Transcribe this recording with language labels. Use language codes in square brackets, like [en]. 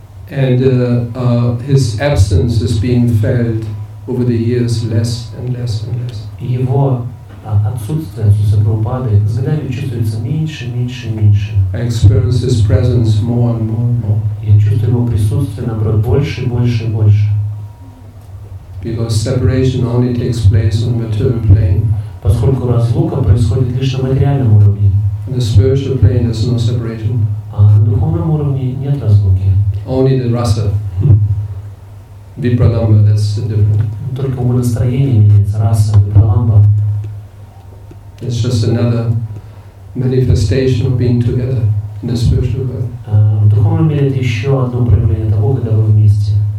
[en] And his absence is being felt over the years, less and less and less. [ru] Его отсутствие Прабхупады с годами чувствуется меньше, меньше, меньше. [en] I experience his presence more and more and more. [ru] Я чувствую его присутствие, наоборот, больше, больше, больше. [en] Because separation only takes place on the material plane. [ru] Поскольку разлука происходит лишь на материальном уровне. [en] On the spiritual plane there's no separation. [ru] А на духовном уровне нет разлуки. [en] Only the rasa. Vipralamba, that's different. [ru] Только в настроении меняется раса, випраламба. [en] It's just another manifestation of being together in the spiritual world. [ru] В духовном мире это еще одно проявление того, когда вы вместе.